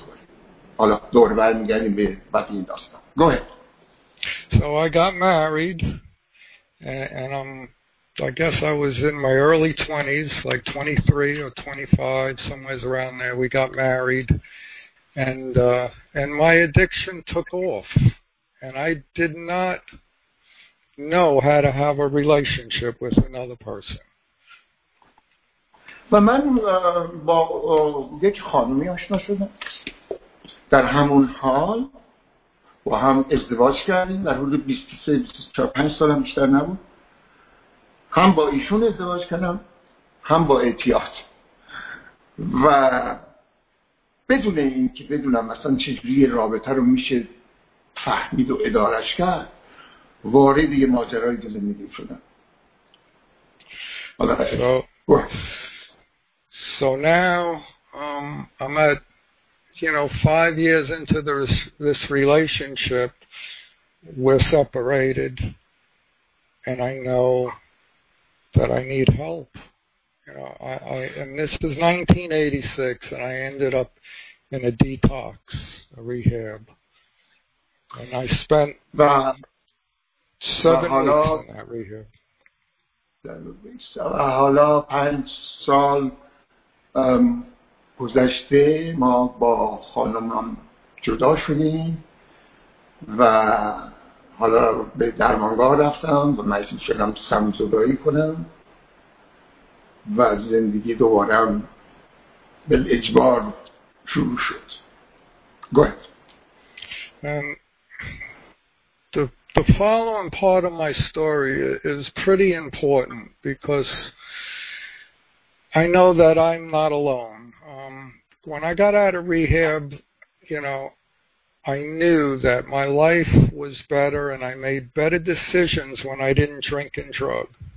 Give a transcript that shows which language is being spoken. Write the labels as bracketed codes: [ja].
[fa] دوباره حالا دوباره برمیگردیم به بعد این داستان. [en] Go ahead. So I got married and I guess I was in my early 20s, like 23 or 25, somewhere around there. We got married, and my addiction took off, and I did not know how to have a relationship with another person. [fa] و من با یک خانمی آشنا شدم. در همون حال با هم ازدواج کردیم. در حدود 23-24 سالم بیشتر نبود. هم با ایشون ازدواج کردم هم با اعتیاد، و بدون این که بدونم مثلا چجوری رابطه رو میشه فهمید و ادارش کرد، وارد یه ماجرای زندگی شدم. حالا [en] So now I'm at, you know, 5 years into this relationship, we're separated, and I know that I need help. You know, and this is 1986, and I ended up in a detox, a rehab, and I spent seven weeks in that rehab. [fa] حالا 5 سال گذشته، ما با خانمم جدا شدیم و حالا به درمانگاه رفتم و مجبور شدم سمزدایی کنم و زندگی دوبارم به اجبار شروع شد. [en] Go ahead. The following part of my story is pretty important because I know that I'm not alone. When I got out of rehab, you know, I knew that my life was better and I made better decisions when I didn't drink and drug.